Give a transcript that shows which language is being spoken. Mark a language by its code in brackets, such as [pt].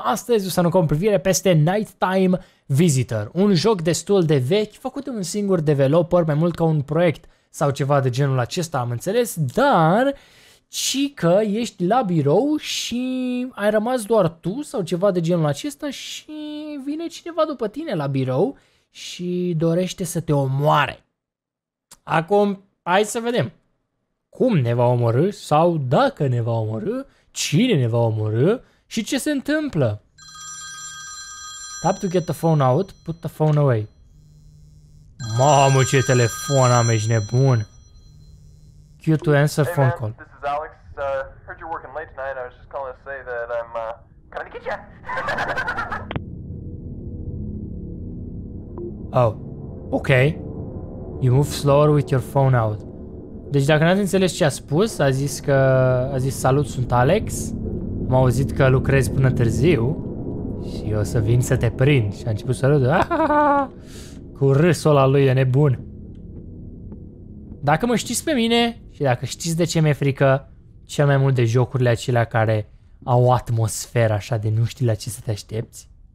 [ro] Astăzi o să aruncăm privire peste Nighttime Visitor, un joc destul de vechi, făcut de un singur developer, mai mult ca un proiect sau ceva de genul acesta, am înțeles, dar ci că ești la birou și ai rămas doar tu sau ceva de genul acesta și vine cineva după tine la birou și dorește să te omoare. Acum, hai să vedem cum ne va omorâ sau dacă ne va omorâ, cine ne va omorâ și ce se întâmplă. [en] Tap to get the phone out, put the phone away. [ro] Mamă, ce telefon am, ești nebun. [en] Cue to answer hey, phone man, call. This is Alex. Heard you're working late tonight. I was just calling to say that I'm coming to get you. Oh, okay. You move slower with your phone out. [ro] Deci dacă n-ați înțeles ce a spus, a zis salut, sunt Alex, am auzit că lucrezi până târziu și eu o să vin să te prind. Și a început să râdă, cu râsul ăla lui, e nebun. Dacă mă știți pe mine și dacă știți de ce mi-e frică cel mai mult de jocurile acelea care au atmosferă așa de nu știi la ce să te aștepți.